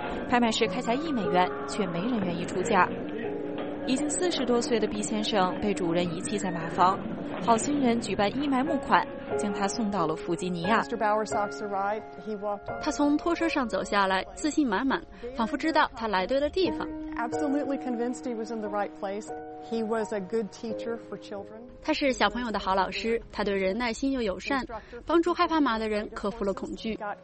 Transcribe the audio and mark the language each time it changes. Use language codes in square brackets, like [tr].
[zh] 拍卖师开价1美元，却没人愿意出价。已经40多岁的毕先生被主人遗弃在马房，好心人举办义卖募款，将他送到了弗吉尼亚。他从拖车上走下来，自信满满，仿佛知道他来对了地方。 [en] Absolutely convinced he was in the right place. He was a good teacher for children. [zh] 他是小朋友的好老师，他对人耐心又友善，帮助害怕马的人克服了恐惧。